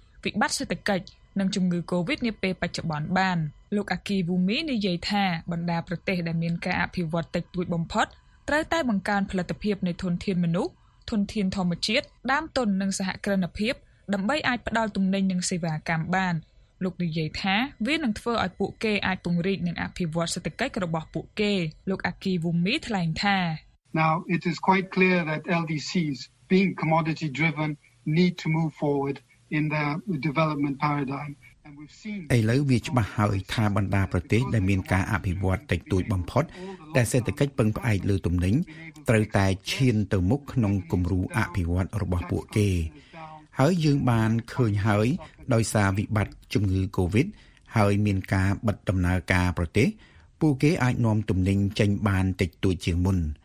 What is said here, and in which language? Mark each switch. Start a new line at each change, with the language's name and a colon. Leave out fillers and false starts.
Khmer: វិបត្តិសេដ្ឋកិច្ចនិងជំងឺ COVID នាពេលបច្ចុប្បន្នបានលោកអាគីវូមីនិយាយថាបណ្ដាប្រទេសដែលមានការអភិវឌ្ឍតិចតួចបំផុតត្រូវតែបង្កើនផលិតភាពនៃធនធានមនុស្សធនធានធម្មជាតិដើមទុននិងសហគ្រិនភាពដើម្បីអាចផ្ដល់ទំនិញនិងសេវាកម្មបានលោកនិយាយថាវានឹងធ្វើឲ្យពួកគេអាចពង្រីកនិងអភិវឌ្ឍសេដ្ឋកិច្ចរបស់ពួកគេលោកអាគីវូមីថ្លែងថា
English: Now it is quite clear that LDCs being commodity driven need to move forward in their development paradigm and we've seen
Khmer: ឥឡូវវាច្បាស់ហើយថាបណ្ដាប្រទេសដែលមានការអភិវឌ្ឍតិចតួចបំផុតតែសេដ្ឋកិច្ចពឹងផ្អែកលើទំនិញត្រូវតែឈានទៅមុខក្នុងគំរូអភិវឌ្ឍរបស់ពួកគេហើយយើងបានឃើញហើយដោយសារវិបត្តិជំងឺ COVID ហើយមានការបិទដំណើរការប្រទេសពួកគេអាចនាំទំនិញចេញបានតិចតួចជាងមុន